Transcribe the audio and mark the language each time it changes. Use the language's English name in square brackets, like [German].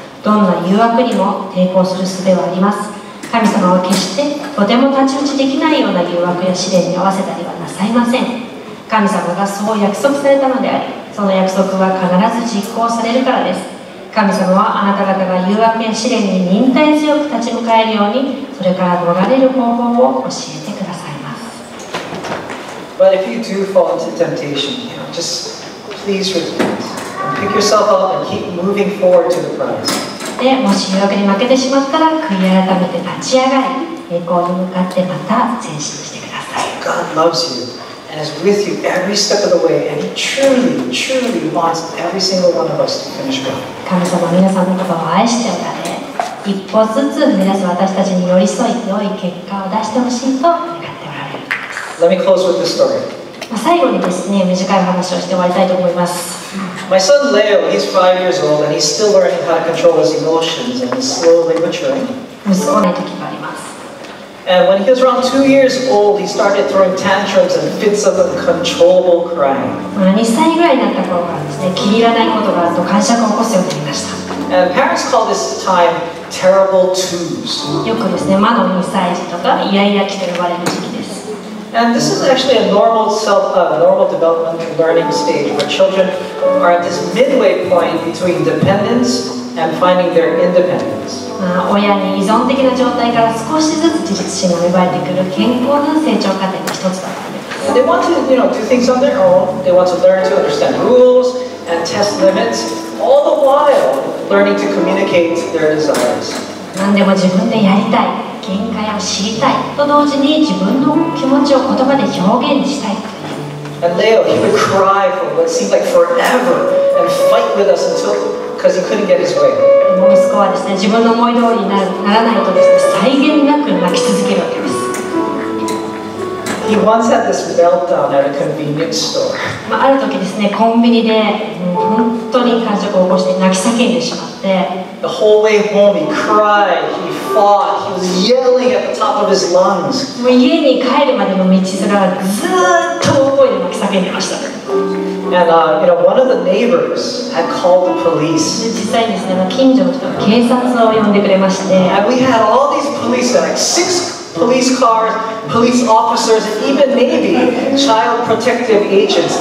[Japanese] どんな誘惑にも抵抗する術はあります。神様は決してとても太刀打ちできないような誘惑や試練に合わせたりはなさいません。神様がそう約束されたのであり、その約束は必ず実行されるからです。神様はあなた方が誘惑や試練に忍耐強く立ち向かえるように、それから逃れる方法を教えてくださいます。 [English] But if you do fall into temptation, you know, just please repent and pick yourself up and keep moving forward to the prize. [Japanese] で、もし誘惑に負けてしまったら、悔い改めて立ち上がり、栄光に向かってまた前進してください。 [English] God loves you. And is with you every step of the way, and He truly, truly wants every single one of us to finish well. [Japanese] 神様は皆さんのことを愛しておられ、一歩ずつ皆さん私たちに寄り添い良い結果を出してほしいと願っておられる。 [English] Let me close with this story. [Japanese] 最後にですね、短い話をして終わりたいと思います。 [English] My son Leo, he's 5 years old, and he's still learning how to control his emotions, and he's slowly maturing. [Japanese] 息子の時があります。 [English] And when he was around 2 years old, he started throwing tantrums and fits of uncontrollable crying. [Japanese] 2歳ぐらいになった頃からですね、気に入らないことがあると癇癪を起こすようになりました。 [English] And parents call this time terrible twos. [Japanese] よくですね、魔の2歳児とかイヤイヤ期と呼ばれる時期です。 [English] And this is actually a normal self, normal developmental learning stage where children are at this midway point between dependence and finding their independence. [Japanese] 親に依存的な状態から少しずつ自立心が芽生えてくる健康な成長過程の一つだと。 [English] They want to, you know, do things on their own. They want to learn to understand rules and test limits, all the while learning to communicate their desires. [Japanese] 何でも自分でやりたい。限界を知りたいと同時に自分の気持ちを言葉で表現したい。 [English] And Leo, he would cry for what seemed like forever and fight with us until because he couldn't get his way. [Japanese] 息子はですね、自分の思い通りにならないとですね、際限なく泣き続けるわけです。 [English] He once had this meltdown at a convenience store. [Japanese] ある時ですね、コンビニで本当に感触を起こして泣き叫んでしまって、 [English] The whole way home, he cried, he fought, he was yelling at the top of his lungs. [Japanese] 家に帰るまでの道すらずっと大声で泣き叫んでました。 [English] And, you know, one of the neighbors had called the police. [Japanese] 実際ですね、近所の人が警察を呼んでくれまして、 [English] And we had all these police, like six police cars, police officers, and even Navy child protective agents